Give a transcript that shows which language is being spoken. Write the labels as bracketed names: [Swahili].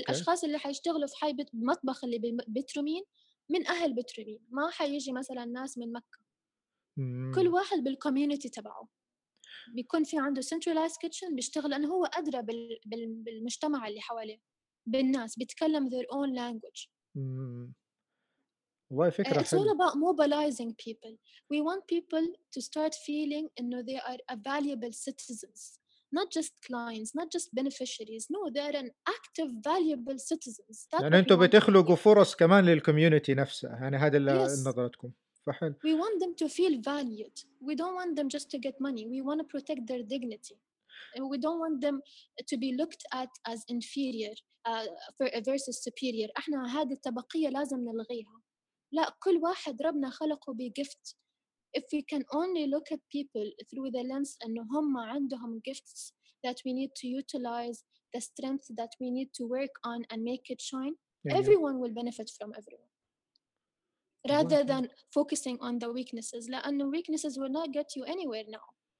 [Arabic] الأشخاص اللي حيشتغلوا في حي بمطبخ اللي بترومين من أهل بترومين، ما حيجي مثلاً ناس من مكة. كل واحد بالكوميونتي تبعه. بيكون في عنده [English] centralized kitchen [Arabic] بيشتغل لأنه هو أدرى بالمجتمع اللي حواليه، بالناس بيتكلم [English] their own language. [Arabic] والله فكرة حلوة. [English] It's all about mobilizing people. We want people to start feeling [Arabic] إنه [English] they are a valuable citizens, not just clients, not just beneficiaries. No, they are an active, valuable citizens. That [Arabic] يعني أنتوا بتخلقوا فرص كمان للكوميونتي نفسها، يعني هذا نظرتكم. فحل. [English] We want them to feel valued. We don't want them just to get money. We want to protect their dignity. We don't want them to be looked at as inferior versus superior. [Arabic] احنا هذه الطبقية لازم نلغيها. لا، كل واحد ربنا خلقه بجفت. [English] If we can only look at people through the lens [Arabic] انه هم عندهم [English] gifts that we need to utilize, the strength that we need to work on and make it shine, yeah, everyone will benefit from everyone. Rather than focusing on the weaknesses. [Arabic] لأنه [English] weaknesses will not get you anywhere now.